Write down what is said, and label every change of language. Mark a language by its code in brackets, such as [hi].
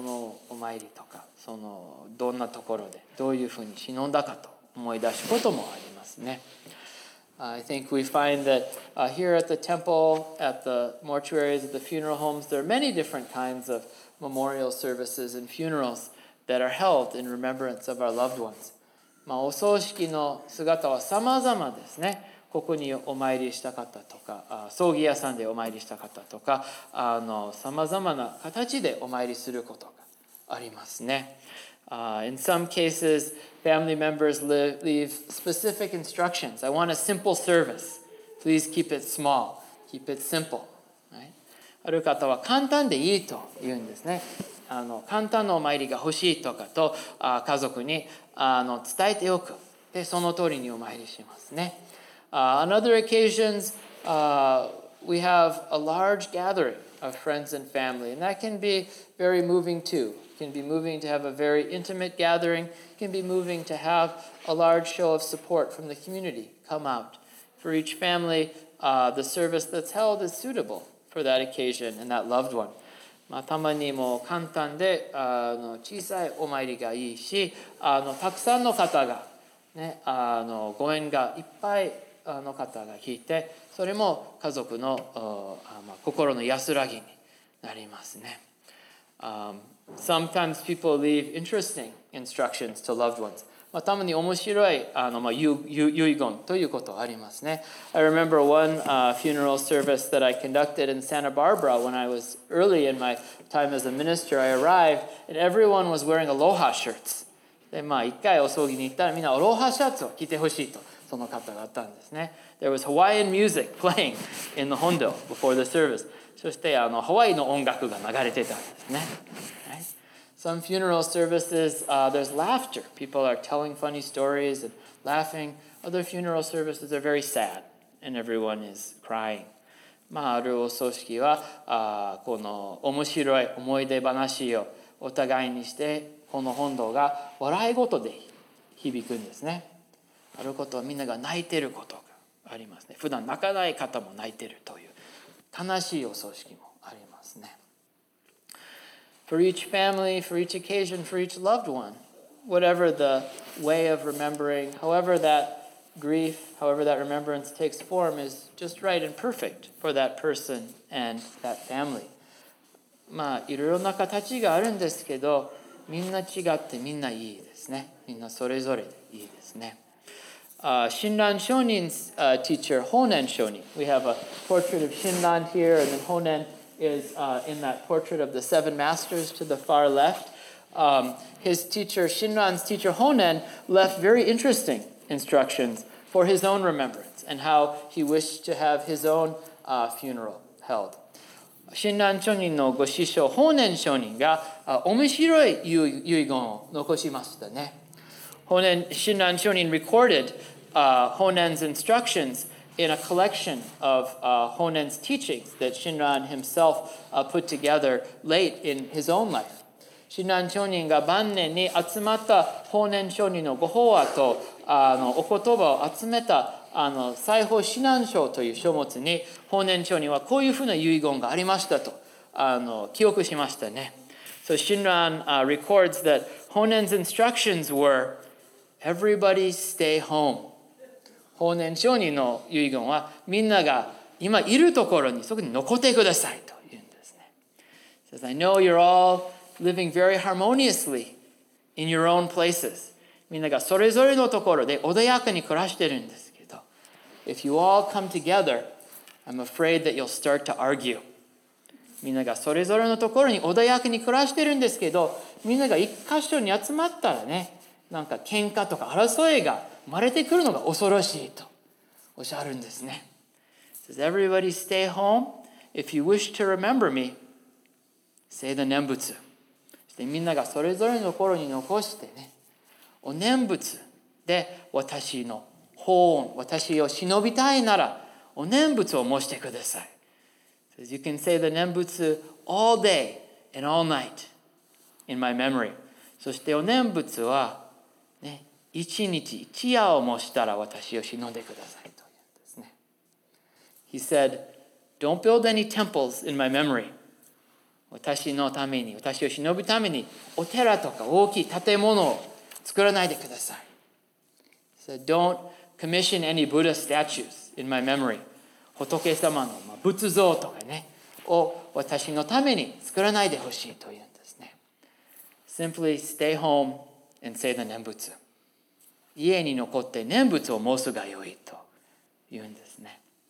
[ja] そのお参りとか、そのどんなところでどういうふうに忍んだかと思い出すこともありますね。 [en] I think we find that here at the temple, at the mortuaries, at the funeral homes, there are many different kinds of memorial services and funerals that are held in remembrance of our loved ones. [ja] まあ、お葬式の姿はさまざまですね。ここにお参りした方とか、葬儀屋さんでお参りした方とか、さまざまな形でお参りすることがありますね。 [en] In some cases, family members leave specific instructions. I want a simple service. Please keep it small. Keep it simple. Right? [ja] ある方は簡単でいいと言うんですね。簡単のお参りが欲しいとかと、家族に伝えておく。で、その通りにお参りしますね。 [en] On other occasions, we have a large gathering of friends and family, and that can be very moving too. It can be moving to have a very intimate gathering. It can be moving to have a large show of support from the community come out. For each family, the service that's held is suitable for that occasion and that loved one. [ja] まあ、たまにも簡単で小さいお参りがいいし、たくさんの方がね、ご縁がいっぱいの方が聞いて、それも家族の心の安らぎになりますね。 [en] Sometimes people leave interesting instructions to loved ones. [ja] まあ、たまに面白いあの、まあ、遺言ということがありますね。 [en] I remember one funeral service that I conducted in Santa Barbara when I was early in my time as a minister. I arrived and everyone was wearing aloha shirts. [ja] で、まあ、一回お葬儀に行ったらみんなアロハシャツを着てほしいとその方があったんですね。 [en] There was Hawaiian music playing in the hondo before the service. [ja] そしてあのハワイの音楽が流れてたんですね。 [en] Some funeral services, there's laughter. People are telling funny stories and laughing. Other funeral services are very sad, and everyone is crying. [ja] まあ、あるお葬式は、この面白い思い出話をお互いにして、この本堂が笑い事で響くんですね。あることはみんなが泣いてることがありますね。普段泣かない方も泣いてるという悲しいお葬式もありますね。 [en] For each family, for each occasion, for each loved one, whatever the way of remembering, however that grief, however that remembrance takes form is just right and perfect for that person and that family. [ja] まあ、いろいろな形があるんですけど、みんな違ってみんないいですね。みんなそれぞれいいですね。 [en] Shinran Shonin's teacher, Honen Shonin. We have a portrait of Shinran here, and then Honen is in that portrait of the seven masters to the far left. His teacher, Shinran's teacher Honen, left very interesting instructions for his own remembrance and how he wished to have his own funeral held. [ja] Shinran Shonin のご師匠 Honen Shonin が面白い遺言を残しましたね。 [en] Shinran Shonin recorded Honen's instructions in a collection of Honen's teachings that Shinran himself put together late in his own life. [ja] Shinran Shonin が晩年に集まった Honen Shonin のご法話とあのお言葉を集めたあの裁縫指南書という書物に Honen Shonin はこういうふうな遺言がありましたとあの記憶しましたね。 [en] So Shinran records that Honen's instructions were, everybody stay home. [ja] 法然上人の遺言はみんなが今いるところにそこに残ってくださいと言うんですね。 [en] Says, I know you're all living very harmoniously in your own places. [ja] みんながそれぞれのところで穏やかに暮らしてるんですけど。 [en] If you all come together, I'm afraid that you'll start to argue. [ja] みんながそれぞれのところに穏やかに暮らしてるんですけど、みんなが一箇所に集まったらね、なんか喧嘩とか争いが生まれてくるのが恐ろしいとおっしゃるんですね。 [en] Says everybody stay home. If you wish to remember me, say the 念仏。 [ja] そしてみんながそれぞれの心に残してね、お念仏で私の法恩、私を忍びたいならお念仏を申してください。 [en] Says you can say the 念仏 all day and all night in my memory。 [ja] そしてお念仏は一日一夜を申したら私を忍んでくださいと言うんですね。 [en] He said, don't build any temples in my memory. [ja] 私のために、私を忍ぶために、お寺とか大きい建物を作らないでください。 [en] He said, don't commission any Buddha statues in my memory. [ja] 仏様の仏像とかね、を私のために作らないでほしいと言うんですね。 [en] Simply stay home and say the 念仏。 [ja] 家に残って念仏を申すがよいと言うんですね。